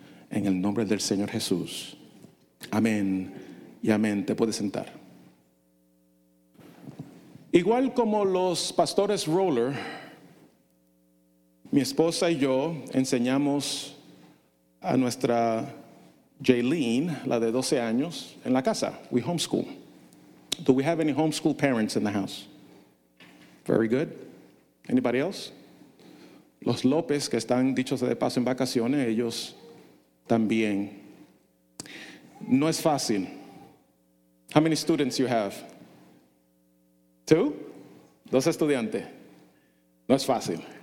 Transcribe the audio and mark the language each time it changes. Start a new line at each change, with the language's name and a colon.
Spanish: En el nombre del Señor Jesús. Amén y amén. Te puedes sentar. Igual como los pastores Roller, mi esposa y yo enseñamos a nuestra Jaylene, la de 12 años, en la casa.
English: We homeschool. Do we have any homeschool parents in the house? Very good. Anybody else?
Spanish: Los López, que están dichos de paso en vacaciones, ellos también. No es fácil.
English: How many students you have? Two?
Spanish: Dos estudiantes. No es fácil.